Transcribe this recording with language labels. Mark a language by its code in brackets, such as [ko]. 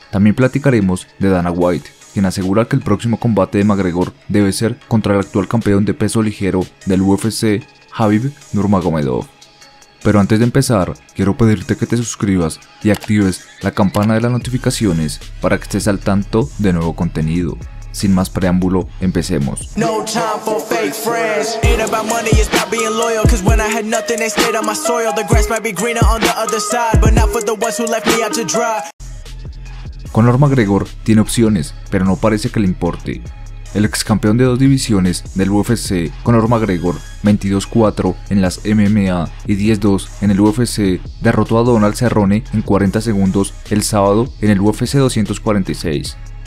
[es] También platicaremos de Dana White, quien asegura que el próximo combate de McGregor debe ser contra el actual campeón de peso ligero del UFC, Khabib Nurmagomedov. Pero antes de empezar, quiero pedirte que te suscribas y actives la campana de las notificaciones para que estés al tanto de nuevo contenido. Sin más preámbulo, empecemos. [en] No time for fake friends. Ain't about money, it's about being loyal. Cause when I had nothing, they stayed on my soil. The grass might be greener on the other side, but not for the ones who left me out to dry. [es] Conor McGregor tiene opciones, pero no parece que le importe. El ex campeón de dos divisiones del UFC, Conor McGregor, 22-4 en las MMA y 10-2 en el UFC, derrotó a Donald Cerrone en 40 segundos el sábado en el UFC 246.